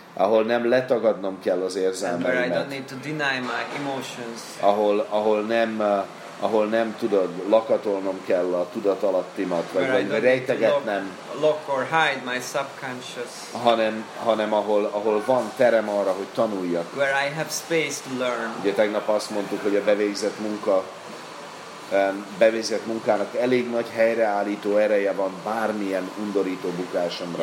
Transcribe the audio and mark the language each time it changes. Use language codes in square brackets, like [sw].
[hu] Ahol nem letagadnom kell az érzelmeimet. [en] Where I don't need to deny my emotions. [hu] Ahol nem tudod, lakatolnom kell a tudatalattimat, vagy rejtegetnem. [en] Lock or hide my subconscious. [hu] Hanem ahol van terem arra, hogy tanuljak. [en] Where I have space to learn. [hu] Ugye tegnap azt mondtuk, hogy a bevégzett munka bevezett munkának elég nagy helyreállító ereje van bármilyen undorító bukásomra.